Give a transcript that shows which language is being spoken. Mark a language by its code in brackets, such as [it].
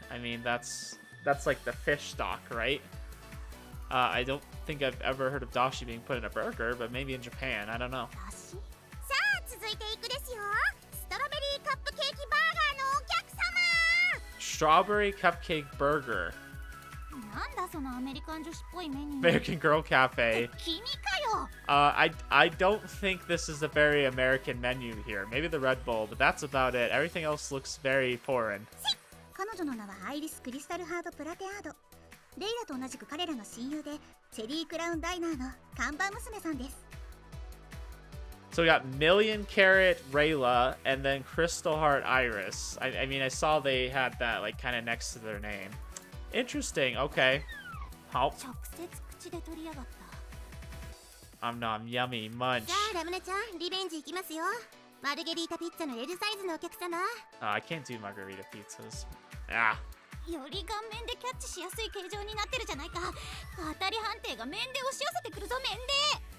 [en] I mean, that's like the fish stock, right? I don't think I've ever heard of dashi being put in a burger, but maybe in Japan, I don't know. [ja] さあ、続いていくですよ。ストロベリーカップケーキバーガーのお客様。 [en] Strawberry cupcake burger. [ja] なんだそのアメリカン女子っぽいメニュー。 [en] American Girl Cafe. [ja] 君かよ。 [en] I don't think this is a very American menu here. Maybe the Red Bull, but that's about it. Everything else looks very foreign. [ja] 彼女の名はアイリス・クリスタルハート・プラテアード。レイラと同じく彼らの親友で、チェリー・クラウン・ダイナーの看板娘さんです。 [en] So we got Million Carrot Rayla and then Crystal Heart Iris. I mean, I saw they had that like kind of next to their name. Interesting. Okay. Help. [ja] 直接口で取りやがった。 [en] I'm not I'm yummy, munch. [ja] さあ、ラムネちゃん、リベンジ行きますよ。マルゲリータピッツァの L サイズのお客様。 [en] I can't do margarita pizzas. Ah. [ja] より顔面でキャッチしやすい形状になってるじゃないか。当たり判定が面で押し寄せてくるぞ、面で。